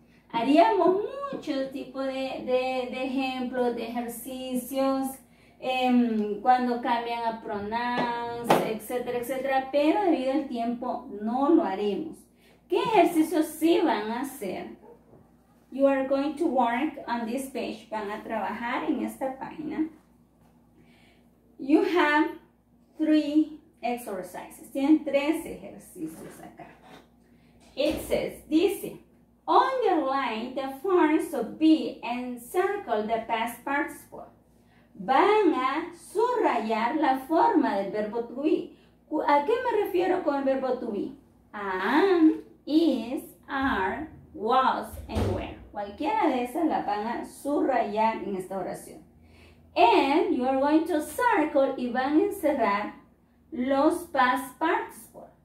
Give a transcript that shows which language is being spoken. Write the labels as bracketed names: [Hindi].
[Spanish] Haríamos muchos tipos de ejemplos, de ejercicios, cuando cambian a pronouns, etcétera, etcétera. Pero debido al tiempo no lo haremos. ¿Qué ejercicios sí van a hacer? [English] You are going to work on this page. [Spanish] Van a trabajar en esta página. [English] You have three exercises. [Spanish] Tienen tres ejercicios acá. [English] It says, dice, underline the forms of be and circle the past participle. [Spanish] Van a subrayar la forma del verbo to be. ¿A qué me refiero con el verbo to be? Am, is, are, was, and were. Cualquiera de esas la van a subrayar en esta oración. [English] And you are going to circle [Spanish] y van a encerrar los [English] past participles.